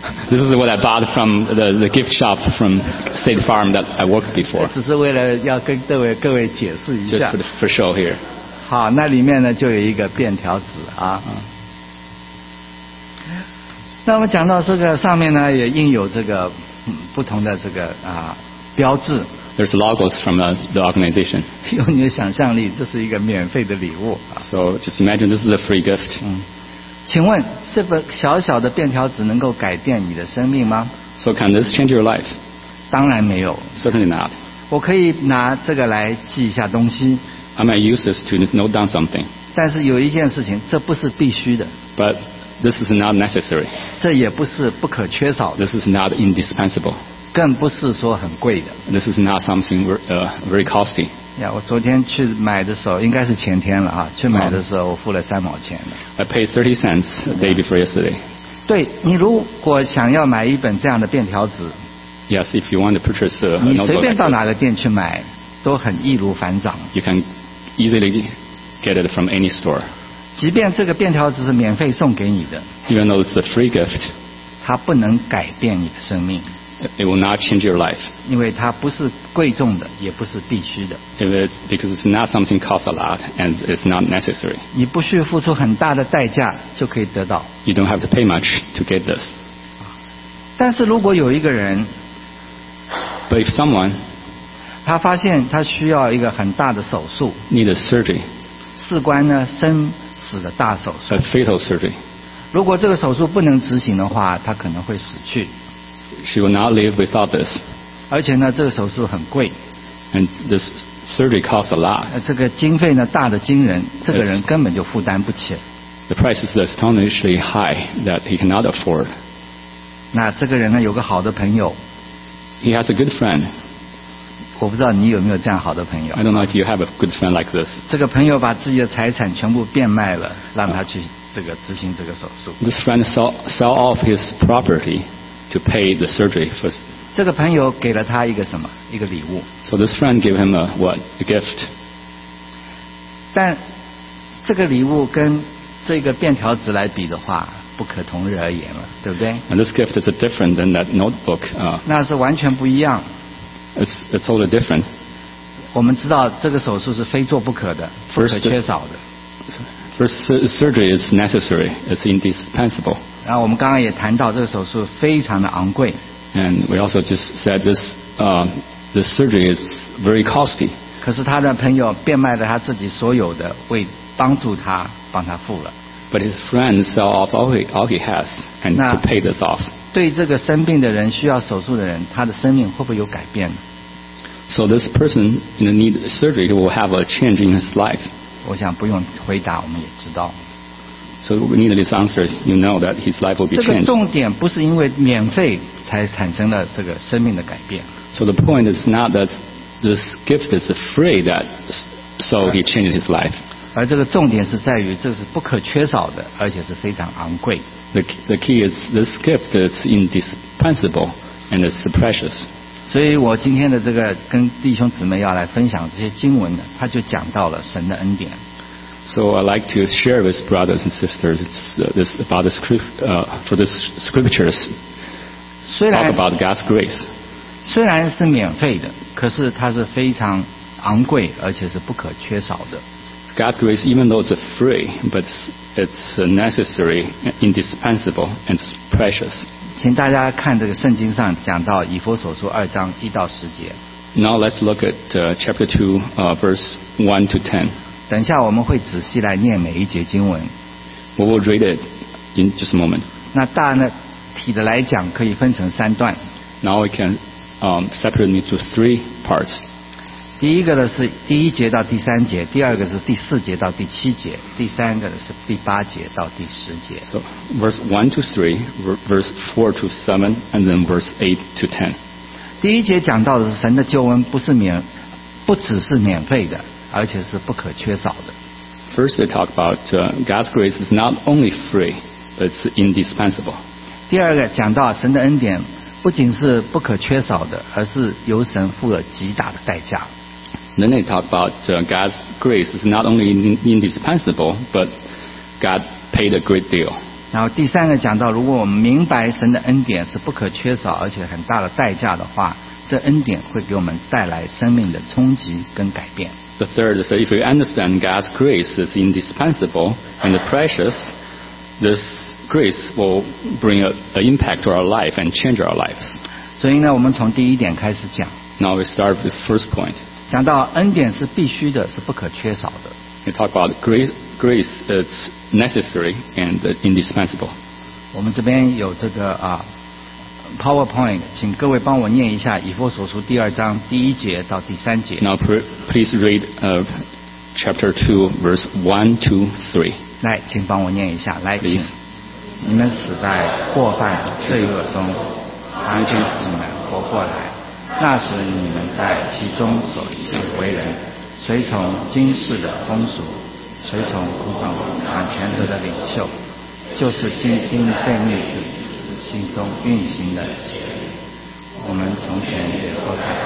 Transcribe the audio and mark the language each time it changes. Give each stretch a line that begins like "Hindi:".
English: This is what I bought from the gift shop from State Farm that I worked before.
Chinese: 只是为了要跟各位解释一下。
English: Just for show here.
Chinese: 好，那里面呢就有一个便条纸啊。那我们讲到这个上面呢也印有这个不同的这个标志。
English: There's logos from the organization.
Chinese: 用你的想象力，这是一个免费的礼物。
English: So just imagine this is a free gift.
Chinese: 请问这本小小的便条纸能够改变你的生命吗？
English: So can this change your life?
Chinese: 当然没有。
English: Certainly not.
Chinese: 我可以拿这个来记一下东西。
English: I might use this to note down something.
Chinese: 但是有一件事情，这不是必须的。
English: But this is not necessary.
Chinese: 这也不是不可缺少的。
English: This is not indispensable.
Chinese: 更不是说很贵的。
English: This is not something very costly.
Chinese: 我昨天去买的时候，应该是前天了哈。去买的时候，我付了三毛钱。
English: I paid 30 cents a day before yesterday.
Chinese: 对，你如果想要买一本这样的便条纸
English: ，Yes, if you want to purchase a notebook,
Chinese: 你随便到哪个店去买，都很易如反掌。
English: You can easily get it from any store.
Chinese: 即便这个便条纸是免费送给你的
English: ，Even though it's a free gift,
Chinese: 它不能改变你的生命。
English: It will not change your life.
Chinese: 因为它不是贵重的，也不是必须的。
English: Because it's not something costs a lot and it's not necessary.
Chinese: 你不需付出很大的代价就可以得到。
English: You don't have to pay much to get this.
Chinese: 但是如果有一个人，
English: But if someone
Chinese: 他发现他需要一个很大的手术
English: need a surgery
Chinese: 事关呢生死的大手术
English: a fatal surgery
Chinese: 如果这个手术不能执行的话他可能会死去
English: She will not live without this
Chinese: 而且呢这个手术很贵
English: And this surgery costs a lot
Chinese: 这个经费呢大的惊人这个人根本就负担不起
English: The price is astonishingly high that he cannot afford
Chinese: 那这个人呢有个好的朋友
English: He has a good friend
Chinese: 我不知道你有没有这样好的朋友。
English: I don't know if you have a good friend like this.
Chinese: 这个朋友把自己的财产全部变卖了，让他去这个执行这个手术。
English: This friend sell off his property to pay the surgery first.
Chinese: 这个朋友给了他一个什么？一个礼物。
English: So this friend gave him a what? A gift.
Chinese: 但这个礼物跟这个便条纸来比的话，不可同日而言了，对不对
English: ？And this gift is different than that notebook.
Chinese: 那是完全不一样。
English: It's totally different.
Chinese: 我们知道这个手术是非做不可的，不可缺少的。
English: First surgery is necessary. It's indispensable.
Chinese: 然后我们刚刚也谈到这个手术非常的昂贵。
English: And we also just said this, this surgery is very costly.
Chinese: 可是他的朋友变卖了他自己所有的，为帮助他，帮他付了。
English: But his friend sell off all he has and to pay this off.
Chinese: 对这个生病的人需要手术的人他的生命会不会有改变
English: So this person in the need of surgery will have a change in his life
Chinese: 我想不用回答我们也知道
English: So we need this answer you know that his life will be changed
Chinese: 这个重点不是因为免费才产生了这个生命的改变
English: So the point is not that this gift is free that so he changed his life
Chinese: 而这个重点是在于这是不可缺少的而且是非常昂贵
English: The key is this gift is indispensable and it's precious.
Chinese: 所以我今天的这个跟弟兄姊妹要来分享这些经文呢，他就讲到了神的恩典。
English: So I'd like to share with brothers and sisters this about the for the scriptures. Talk about God's grace.
Chinese: 虽然是免费的，可是它是非常昂贵，而且是不可缺少的。
English: God's grace, even though it's free, but it's necessary, indispensable, and it's precious.
Chinese: 请大家看这个圣经上讲到以弗所书二章一到十节。
English: Now let's look at chapter 2, verse 1 to 10.
Chinese: 等一下我们会仔细来念每一节经文。
English: We will read it in just a moment.
Chinese: 那大呢体的来讲可以分成三段。
English: Now we can separate into three parts.
Chinese: 第一个的是第一节到第三节，第二个是第四节到第七节，第三个是第八节到第十节。
English: So verse 1-3, verse 4-7, and then verse 8-10.
Chinese: 第一节讲到的是神的救恩不只是免费的，而且是不可缺少的。
English: First, we talk about God's grace is not only free, but it's indispensable.
Chinese: 第二个讲到神的恩典。不仅是不可缺少的，而是由神付了极大的代价。
English: Then they talk about God's grace is not only indispensable, but God paid a great deal.
Chinese: 然后第三个讲到，如果我们明白神的恩典是不可缺少，而且很大的代价的话，这恩典会给我们带来生命的冲击跟改变。
English: The third is if we understand God's grace is indispensable and precious, this. Grace will bring an impact to our life and change our lives.
Chinese: 所以呢，我们从第一点开始讲。
English: Now we start with this first point.
Chinese: 讲到恩典是必须的，是不可缺少的。
English: We talk about grace is necessary and indispensable.
Chinese: 我们这边有这个PowerPoint， 请各位帮我念一下以弗所书第二章第一节到第三节。
English: Now please read chapter 2, verse 1-3.
Chinese: 来，请帮我念一下。来，
English: please.
Chinese: 请。你们死在过犯罪恶中他救你们活过来那时你们在其中所信为人随从今世的风俗随从古董掌权者的领袖就是今经被逆子心中运行的邪我们从前也过犯